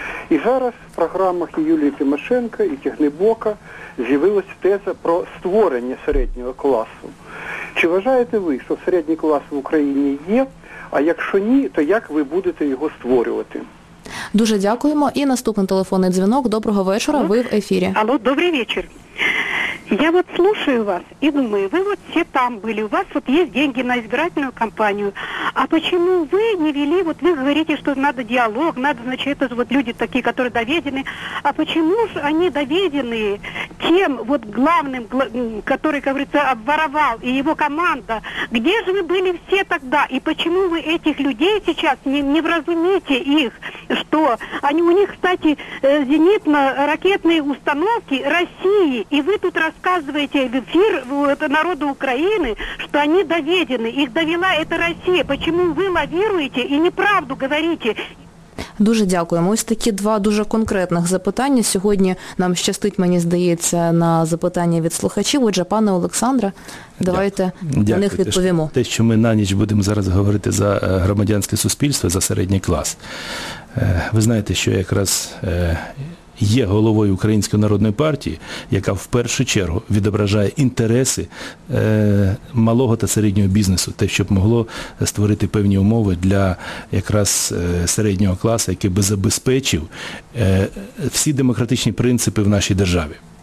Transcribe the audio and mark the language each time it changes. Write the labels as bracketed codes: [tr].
[uk] І зараз в програмах і Юлії Тимошенко, і Тігнибока з'явилася теза про створення середнього класу. Чи вважаєте ви, що середній клас в Україні є? А якщо ні, то як ви будете його створювати? Дуже дякуємо. І наступний телефонний дзвінок. Доброго вечора, ви в ефірі. Алло, добрий вечір. [ru] Я вот слушаю вас и думаю, вы вот все там были, у вас вот есть деньги на избирательную кампанию, а почему вы не вели, вот вы говорите, что надо диалог, надо, значит, это же вот люди такие, которые доведены, а почему же они доведены тем вот главным, который, как говорится, обворовал, и его команда, где же вы были все тогда, и почему вы этих людей сейчас не вразумите их, что они, у них, кстати, зенитно-ракетные установки России, и вы тут рассказываете в эфир народу Украины, что они доведены, их довела эта Россия. Почему вы лавируете и неправду говорите? [uk] Дуже дякуємо. Ось такі два дуже конкретних запитання. Сьогодні нам щастить, мені здається, на запитання від слухачів. Отже, пане Олександре, давайте на них відповімо. Те, що ми на ніч будемо зараз говорити за громадянське суспільство, за середній клас. Ви знаєте, що якраз є головою Української народної партії, яка в першу чергу відображає інтереси малого та середнього бізнесу, те, щоб могло створити певні умови для якраз середнього класу, який би забезпечив всі демократичні принципи в нашій державі.